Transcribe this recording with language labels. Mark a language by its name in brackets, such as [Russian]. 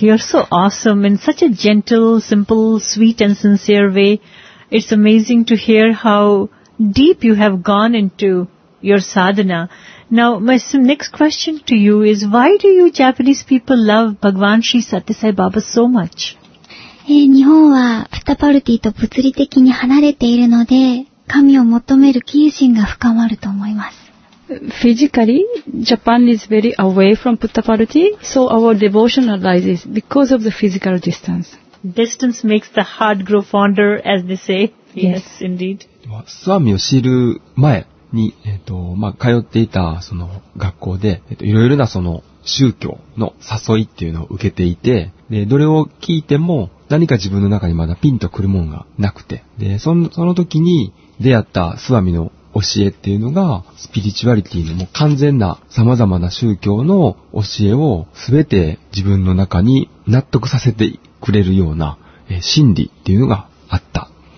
[English] You're so awesome in such a gentle, simple, sweet and sincere way. It's amazing to hear how deep you have gone into your sadhana. Now, my next question to you is, why do you Japanese people love Bhagwan Sri Satyasai Baba so much? [Japanese] 日本はプタパルティと物理的に離れているので、神を求める気心が深まると思います。 [English] Physically, Japan is very away from Puttaparthi, so our devotion arises because of the physical distance. Distance makes the heart grow fonder, as they say. Yes, yes indeed. [Japanese] スワミを知る前に、通っていたその学校で、いろいろなその宗教の誘いっていうのを受けていて、で、どれを聞いても何か自分の中にまだピンとくるものがなくて、で、その時に出会ったスワミの教えっていうのが、スピリチュアリティのもう完全な様々な宗教の教えをすべて自分の中に納得させてくれるような真理っていうのがあった。